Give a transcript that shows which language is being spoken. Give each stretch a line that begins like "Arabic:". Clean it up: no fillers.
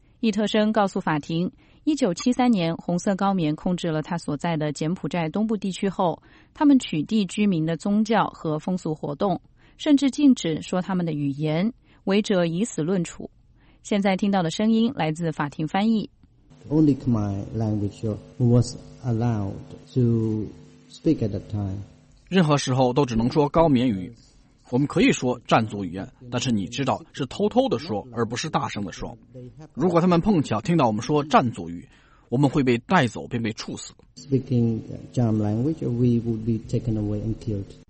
Chinese: 易特生告诉法庭，1973年红色高棉控制了他所在的柬埔寨东部地区后，他们取缔居民的宗教和风俗活动，甚至禁止说他们的语言，违者以死论处。现在听到的声音来自法庭翻译。
English: Only Khmer language was allowed to speak at that time.
Chinese: 任何时候都只能说高棉语。我们可以说占族语言，但是你知道是偷偷的说，而不是大声的说。如果他们碰巧听到我们说占族语，我们会被带走并被处死。
English: Speaking Jam language, we would be taken away and killed.